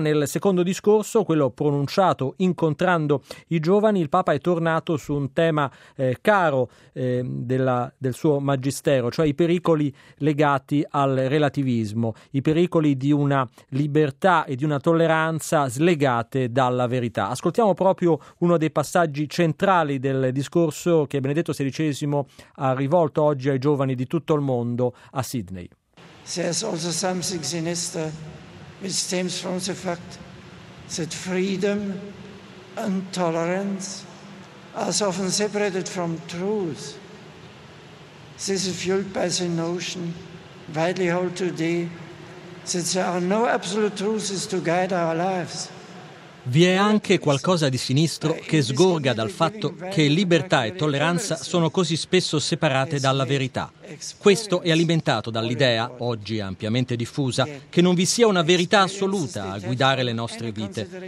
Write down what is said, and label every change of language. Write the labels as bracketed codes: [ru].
[it] Nel secondo discorso, quello pronunciato incontrando i giovani, il Papa è tornato su un tema caro del suo magistero, cioè i pericoli legati al relativismo, i pericoli di una libertà e di una tolleranza slegate dalla verità. Ascoltiamo proprio uno dei passaggi centrali del discorso che Benedetto XVI ha rivolto oggi ai giovani di tutto il mondo a Sydney. [en] There's also something sinister which stems from the fact that freedom and tolerance are often separated from truth. This is fueled by the notion widely held today that there are no absolute truths to guide our lives. [it] Vi è anche qualcosa di sinistro che sgorga dal fatto che libertà e tolleranza sono così spesso separate dalla verità. Questo è alimentato dall'idea, oggi ampiamente diffusa, che non vi sia una verità assoluta a guidare le nostre vite.